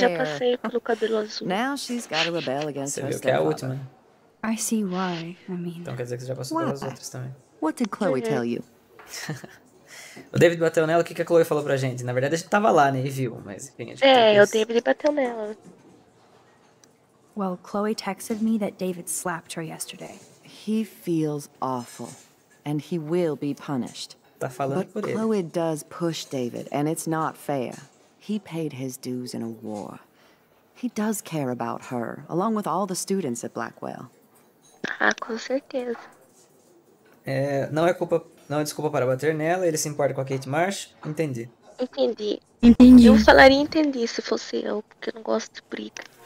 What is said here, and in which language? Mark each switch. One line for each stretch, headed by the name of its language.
Portuguese: Já passei pelo cabelo azul.
English: Now she's got to rebel against
Portuguese: você
English: her
Portuguese: viu que é a última.
English: I see why. I mean,
Portuguese: então quer dizer que você já passou pelas outras também.
English: What did Chloe tell you?
Portuguese: O David bateu nela, o que a Chloe falou pra gente? Na verdade, a gente tava lá, né, e viu, mas enfim. É, o David bateu nela.
English: Well, Chloe texted me that David slapped her yesterday. He feels awful, and he will be punished.
Portuguese: Tá falando por ele.
English: Chloe does push David, and it's not fair. He paid his dues in a war. He does care about her, along with all the students at Blackwell.
Portuguese: Ah, com certeza. Não é desculpa para bater nela, ele se importa com a Kate Marsh. Entendi. Entendi. Entendi. Eu falaria entendi se fosse eu, porque eu não gosto de briga.